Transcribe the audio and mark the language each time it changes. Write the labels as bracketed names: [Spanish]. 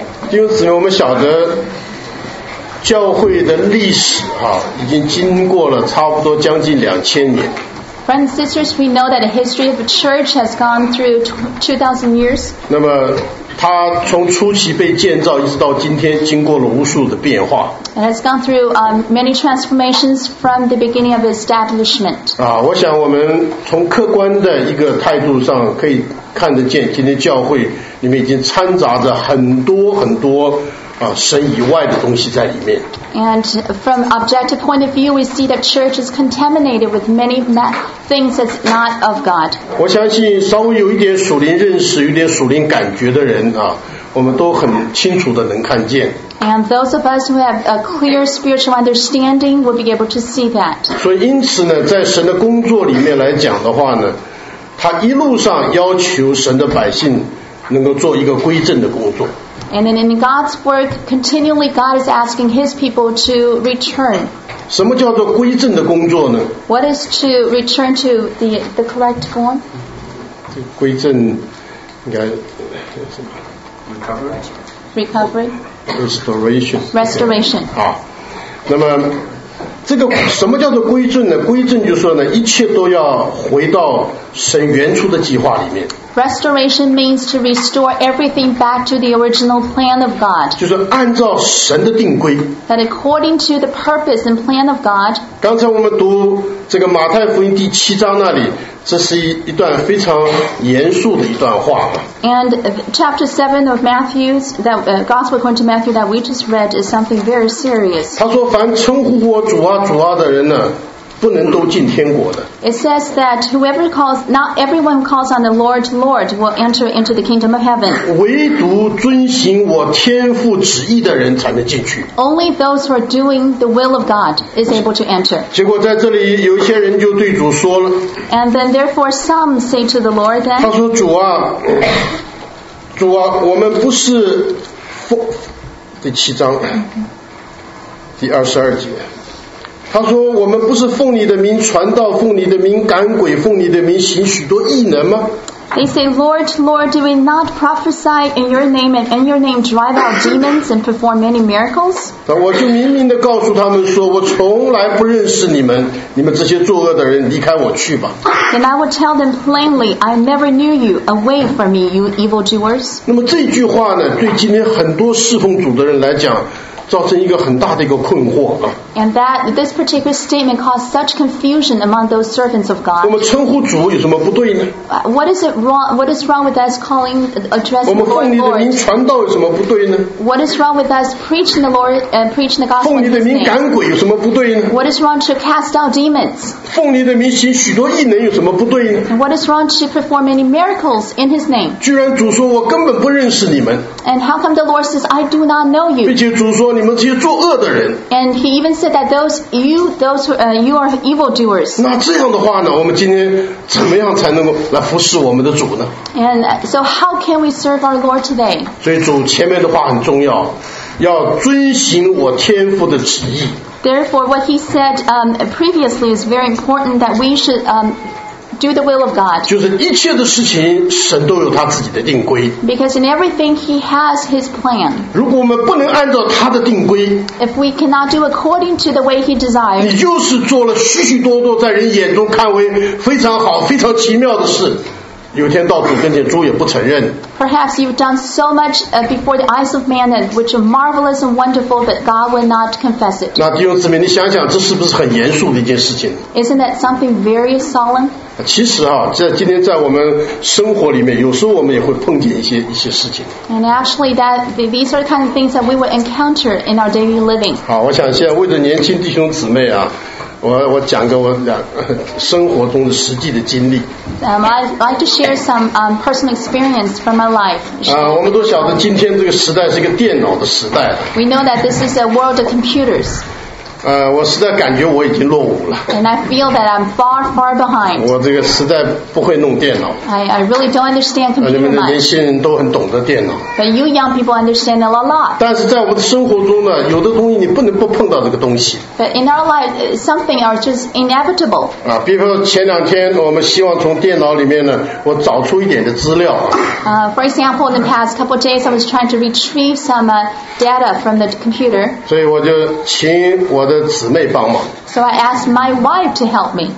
[Chinese] 弟兄姊妹，我们晓得教会的历史哈，已经经过了差不多将近两千年。 [English] Friends, sisters, we know that the history of the church has gone through 2,000 years. [Chinese] 那么，它从初期被建造一直到今天，经过了无数的变化。 [English] It has gone through many transformations from the beginning of establishment. [Chinese] 我想我们从客观的一个态度上可以看得见，今天教会里面已经掺杂着很多很多。神以外的东西在里面。 [English] And from objective point of view, we see that church is contaminated with many things that's not of God. [Chinese] 我相信稍微有一点属灵认识、有点属灵感觉的人啊，我们都很清楚的能看见。 [English] And those of us who have a clear spiritual understanding will be able to see that. [Chinese] 所以因此呢，在神的工作里面来讲的话呢，他一路上要求神的百姓能够做一个归正的工作。 [English] And then in God's work, continually God is asking His people to return. [Chinese] 什么叫做归正的工作呢？ [English] What is to return to the correct form? [Chinese] 归正应该什么？ [English] Recovery. Restoration. Restoration. [Chinese] 好，那么这个什么叫做归正呢？归正就是说呢，一切都要回到神原初的计划里面。 [English] Restoration means to restore everything back to the original plan of God. [Chinese] 就是按照神的定规。 [English] That according to the purpose and plan of God. [Chinese] 刚才我们读这个马太福音第七章那里，这是一段非常严肃的一段话。 [English] And chapter 7 of Matthew's, that Gospel according to Matthew that we just read is something very serious. [Chinese] 他说凡称呼我主啊主啊的人呢，不能都进天国的。 [English] It says that whoever calls, not everyone calls on the Lord, Lord will enter into the kingdom of heaven. [Chinese] 唯独遵行我天父旨意的人才能进去。 [English] Only those who are doing the will of God is able to enter. [Chinese] 结果在这里有一些人就对主说了。 [English] And then therefore some say to the Lord that, [Chinese] 他说主啊，主啊，我们不是奉第七章第二十二节。他说我们不是奉你的名传道，奉你的名赶鬼，奉你的名行许多异能吗？ [English] They say, Lord, Lord, do we not prophesy in your name and in your name drive out demons and perform many miracles? [Chinese] 我就明明地告诉他们说，我从来不认识你们，你们这些作恶的人离开我去吧。 [English] And I would tell them plainly, I never knew you, away from me, you evildoers. [Chinese] 那么这句话呢，对今天很多侍奉主的人来讲造成一个很大的一个困惑啊。 [English] And that this particular statement caused such confusion among those servants of God. [Chinese] 我们称呼主有什么不对呢？ [English] What is wrong with us calling, addressing the Lord? [Chinese] 我们奉你的名传道有什么不对呢？ [English] What is wrong with us preaching the Lord and preaching the gospel? [Chinese] 奉你的名赶鬼有什么不对呢？ [English] What is wrong to cast out demons? [Chinese] 奉你的名行许多异能有什么不对呢？ [English] What is wrong to perform many miracles in His name? [Chinese] 居然主说我根本不认识你们。 [English] And how come the Lord says I do not know you? [Chinese] 并且主说你们这些作恶的人。 [English] And He even said that you are evildoers. [Chinese] 那这样的话呢，我们今天怎么样才能够来服侍我们的主呢？ [English] And so how can we serve our Lord today? [Chinese] 所以主前面的话很重要，要遵行我天父的旨意。 [English] Therefore what He said previously is very important that we should do the will of God. [Chinese] 就是一切的事情神都有他自己的定规。 [English] Because in everything he has his plan. [Chinese] 如果我们不能按照他的定规， [English] If we cannot do according to the way he desired, [Chinese] 你就是做了许许多多在人眼中看为非常好非常奇妙的事，有天到主跟前主也不承认。 [English] Perhaps you've done so much before the eyes of man that which are marvelous and wonderful but God will not confess it. [Chinese] 那弟兄姊妹，你想想这是不是很严肃的一件事情？ [English] Isn't that something very solemn? [Chinese] 其实啊，在今天在我们生活里面，有时候我们也会碰见一些事情。 [English] And actually, that these are the kind of things that we would encounter in our daily living. [Chinese] 好，我想现在为着年轻弟兄姊妹啊，我讲个我两生活中的实际的经历。 [English] I'd like to share some personal experience from my life. [Chinese] 啊，我们都晓得今天这个时代是一个电脑的时代。 [English] We know that this is a world of computers. [Chinese] 我实在感觉我已经落伍了。 [English] And I feel that I'm far, far behind. [Chinese] 我这个实在不会弄电脑。 [English] I really don't understand computer much. [Chinese] 你们年轻人都很懂得电脑。 [English] But you young people understand a lot. [Chinese] 但是在我的生活中呢，有的东西你不能不碰到这个东西。 [English] But in our life, something are just inevitable. [Chinese] 啊，比如说前两天我们希望从电脑里面呢，我找出一点的资料。 [English] For example, in the past couple of days, I was trying to retrieve some data from the computer. [Chinese] 所以我就请我的姊妹帮忙。 [English] So I asked my wife to help me.